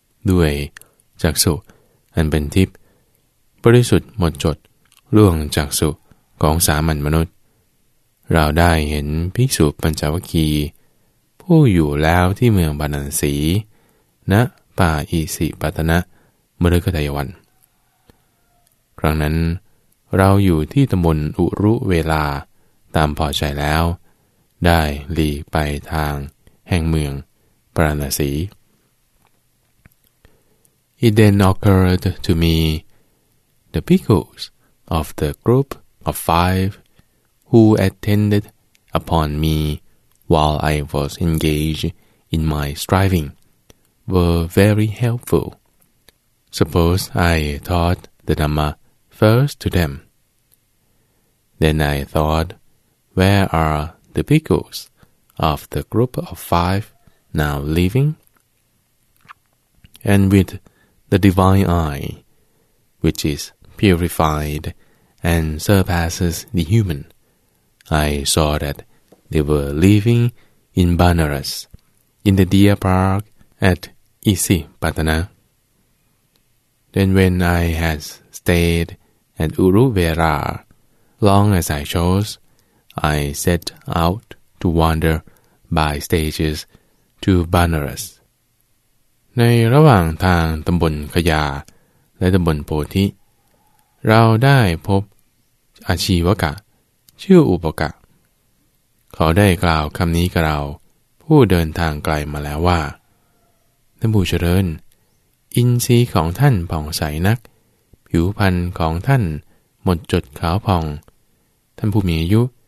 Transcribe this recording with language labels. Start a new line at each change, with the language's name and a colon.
Thai: ด้วยจักษุอันเป็นทิพย์บริสุทธิ์หมดจดล่วงจักษุของสามัญมนุษย์เราได้เห็นภิกษุปัญจวัคคีย์ผู้อยู่แล้วที่เมืองบาลานสีนะป่าอิสิปตนะมฤคทายวันครั้งนั้นเราอยู่ที่ตำบลอุรุเวลาตามพอใจแล้วได้หลีกไปทางแห่งเมืองปราณสี
English: It then occurred to me the bhikkhus of the group of five who attended upon me while I was engaged in my striving. Were very helpful. Suppose I taught the Dhamma first to them. Then I thought, where are the bhikkhus of the group of five now living? And with the divine eye, which is purified and surpasses the human, I saw that they were living in Banaras, in the deer park atIsipatana. Then when I had stayed at Uruvera long as I chose, I set out to wander by stages to Banaras.
Thai: ในระหว่างทางตำบลขยาและตำบลโพธิเราได้พบอาชีวกะชื่ออุปกะเขาได้กล่าวคำนี้กับเราผู้เดินทางไกลมาแล้วว่าท่านผู้เจริญอินทรีย์ของท่านผ่องใสนักผิวพรรณของท่านหมดจดขาวผ่องท่านผู้มีอายุ